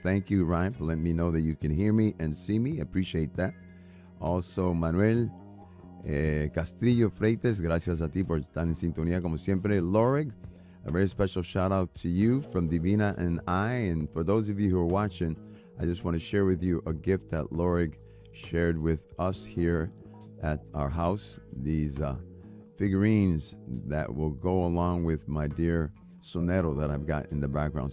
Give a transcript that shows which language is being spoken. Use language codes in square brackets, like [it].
[en] Thank you, Ryan, for letting me know that you can hear me and see me. Appreciate that. Also, Manuel Castillo Freites, [es] gracias a ti por estar en sintonía como siempre. [en] Lorig, a very special shout out to you from Divina and I. And for those of you who are watching, I just want to share with you a gift that Lorig shared with us here at our house. These figurines that will go along with my dear sonero that I've got in the background.